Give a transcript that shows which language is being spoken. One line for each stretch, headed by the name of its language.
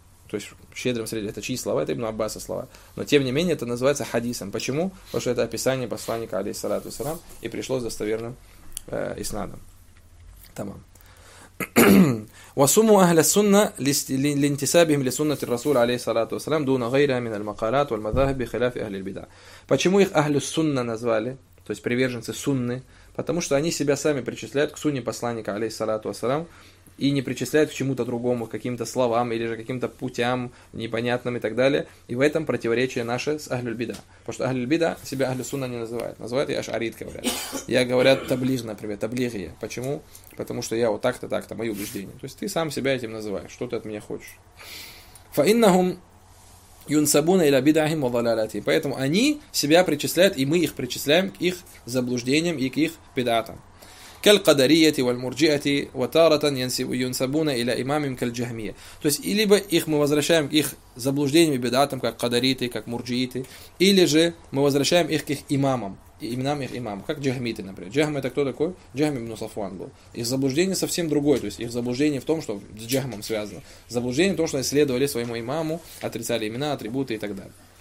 Russian: То есть, щедрым среди, это чьи слова? Это Ибн Аббаса слова. Но, тем не менее, это называется хадисом. Почему? Потому что это описание посланника, алейхиссалату вассалям, и пришло с достоверным иснадом. Тамам.
Arabic: وصموا أهل السنة لانتسابهم لسنة الرسول عليه الصلاة والسلام دون غيرها من المقالات والمذاهب بخلاف أهل البدع.
Russian: Почему их أهل السنة назвали, то есть приверженцы сунны? Потому что они себя сами причисляют к сунне посланника عليه الصلاة والسلام и не причисляют к чему-то другому, к каким-то словам или же каким-то путям непонятным и так далее. И в этом противоречие наше с Ахлюль Бида. Потому что Ахлюль Бида себя Ахлю Сунна не называют. Называют я Ашарит, говорят. Я говорят таближ, например, таблигия. Почему? Потому что я вот так-то, так-то, мои убеждения. То есть ты сам себя этим называешь. Что ты от меня хочешь?
Arabic: Фаиннахум юнсабуна иля бидахим ва далалати.
Russian: Поэтому они себя причисляют, и мы их причисляем к их заблуждениям и к их бидатам.
Arabic: كالقدرية والمرجئة وتارة ينسبون إلى إمام كالجهمية.
Russian: То есть, либо их мы возвращаем к их заблуждениям и бедатам, как кадариты, как мурджииты, или же мы возвращаем их к их имамам. именам их имамов, как джахмиты, например. Джахм — это кто такой? Джахм ибн Сафуан был. Их заблуждение совсем другое, то есть их заблуждение в том, что с джахмом связано. Заблуждение в том, что они следовали своему имаму, отрицали имена, атрибуты и так далее.